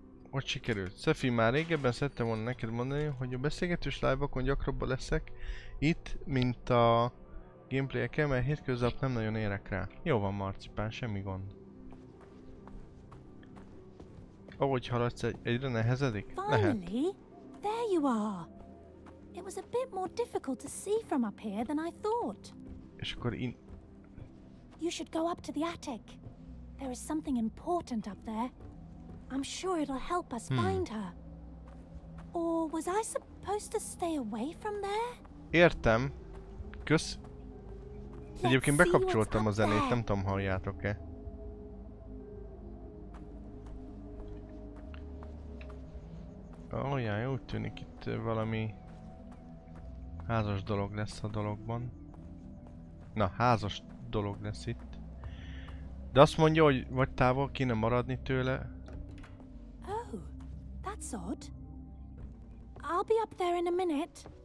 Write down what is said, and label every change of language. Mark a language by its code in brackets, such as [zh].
[hu] Hogy sikerült? Szefi, már régebben szerettem volna neked mondani, hogy a beszélgetős live-okon gyakrabban leszek itt, mint a gameplay-eken, mert hétköznap nem nagyon érek rá. Jó van, Marcipán, semmi gond. Ahogy haladsz, egyre nehezedik? Lehet. [en] Finally, there you are. It was a bit more difficult to see from up here than I thought. [hu] És akkor [en] You should go up to the attic. There is something important up there. I'm sure it'll help us find her. Or was I supposed to stay away from there? [hu] Értem. Kösz. Egyébként bekapcsoltam a zenét, nem tudom, halljátok-e. Olyan, úgy tűnik itt valami házas dolog lesz a dologban. Na, házas dolog lesz itt. De azt mondja, hogy vagy távol kéne maradni tőle. [en] Oh, that's odd. I'll be up there in a minute.